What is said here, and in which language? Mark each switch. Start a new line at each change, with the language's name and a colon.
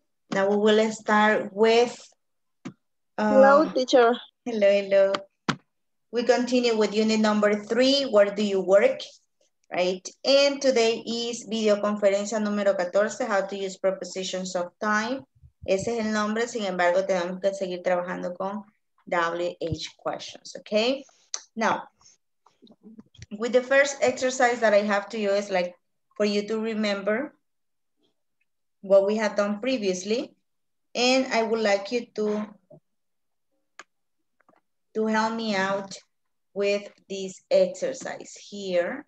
English: Now we will start with. Hello, teacher. Hello, hello. We continue with unit number 3, where do you work? Right, and today is
Spanish: video conferencia número 14,
English: how to use prepositions of time.
Spanish: Ese es el nombre, sin embargo, tenemos que seguir trabajando con
English: WH questions, okay? Now, with the first exercise that I have to you is like for you to remember what we have done previously, and I would like you to help me out with this exercise here.